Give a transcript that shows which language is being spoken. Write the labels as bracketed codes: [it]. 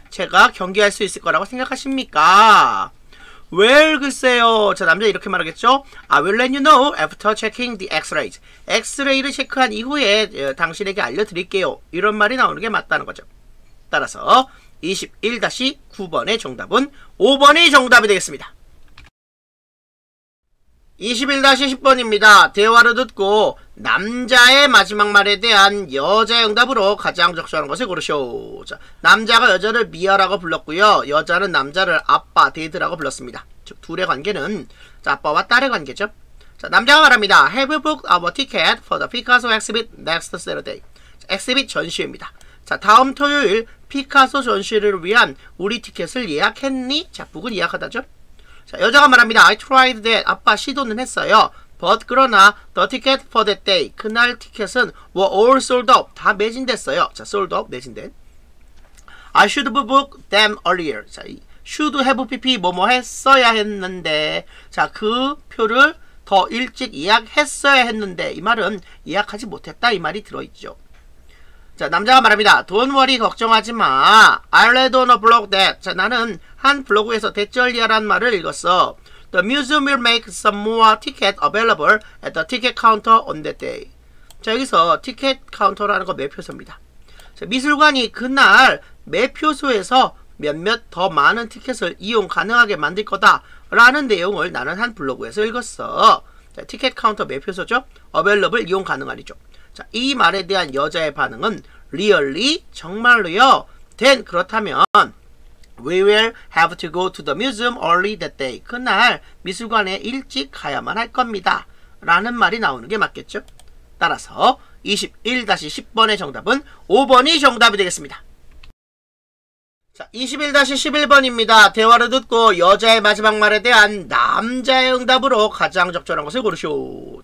[ko] 제가 경기할 수 있을 거라고 생각하십니까? [en] Well, [ko] 글쎄요. 자, 남자 이렇게 말하겠죠. [en] I will let you know after checking the x-rays. [ko] x-ray를 체크한 이후에 당신에게 알려드릴게요. 이런 말이 나오는 게 맞다는 거죠. 따라서 21-9번의 정답은 5번이 정답이 되겠습니다. 21-10번입니다. 대화를 듣고 남자의 마지막 말에 대한 여자의 응답으로 가장 적절한 것을 고르시오. 자, 남자가 여자를 미아라고 불렀고요. 여자는 남자를 아빠, 데드라고 불렀습니다. 즉, 둘의 관계는 자, 아빠와 딸의 관계죠. 자, 남자가 말합니다. [en] Have you booked our ticket for the Picasso exhibit next Saturday? [ko] 자, exhibit 전시회입니다. 자, 다음 토요일 피카소 전시회를 위한 우리 티켓을 예약했니? 자, 북은 예약하다죠. 자, 여자가 말합니다. [en] I tried that. [ko] 아빠 시도는 했어요. [en] But [ko] 그러나 [en] the ticket for that day. [ko] 그날 티켓은 [en] were all sold out. [ko] 다 매진됐어요. [en] 자, sold out, [ko] 매진된. [en] I should have booked them earlier. [ko] 자, should have PP 뭐뭐 했어야 했는데. 자, 그 표를 더 일찍 예약했어야 했는데. 이 말은 예약하지 못했다. 이 말이 들어있죠. 자, 남자가 말합니다. [en] Don't worry, [ko] 걱정하지 마. [en] I read on a blog that. [ko] 자, 나는 한 블로그에서 대절리아란 말을 읽었어. [en] The museum will make some more tickets available at the ticket counter on that day. [ko] 자, 여기서 ticket counter라는 거 매표소입니다. 자, 미술관이 그날 매표소에서 몇몇 더 많은 티켓을 이용 가능하게 만들 거다라는 내용을 나는 한 블로그에서 읽었어. 자, ticket counter 매표소죠. available 이용 가능하리죠. 자, 이 말에 대한 여자의 반응은 [en] really? [ko] 정말로요? [en] then [ko] 그렇다면 [en] We will have to go to the museum early that day. [ko] 그날 미술관에 일찍 가야만 할 겁니다. 라는 말이 나오는 게 맞겠죠? 따라서 21-10번의 정답은 5번이 정답이 되겠습니다. 자, 21-11번입니다. 대화를 듣고 여자의 마지막 말에 대한 남자의 응답으로 가장 적절한 것을 고르쇼.